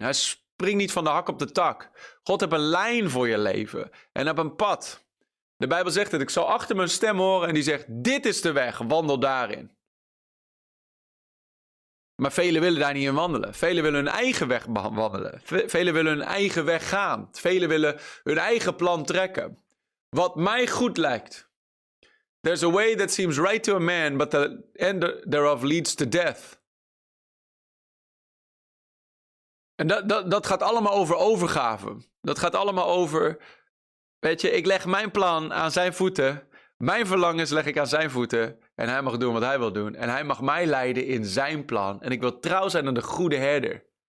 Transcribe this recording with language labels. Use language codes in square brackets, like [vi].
[nl] Hij springt niet van de hak op de tak. God heeft een lijn voor je leven. En heeft een pad. De Bijbel zegt het. Ik zal achter mijn stem horen en die zegt, dit is de weg, wandel daarin. Maar velen willen daar niet in wandelen. Velen willen hun eigen weg wandelen. Velen willen hun eigen weg gaan. Velen willen hun eigen plan trekken. Wat mij goed lijkt. [en] There's a way that seems right to a man, but the end thereof leads to death. [nl] En dat gaat allemaal over overgave. Dat gaat allemaal over, weet je, ik leg mijn plan aan zijn voeten. Mijn verlangens leg ik aan zijn voeten. En hij mag doen wat hij wil doen. En hij mag mij leiden in zijn plan. En ik wil trouw zijn aan de goede herder.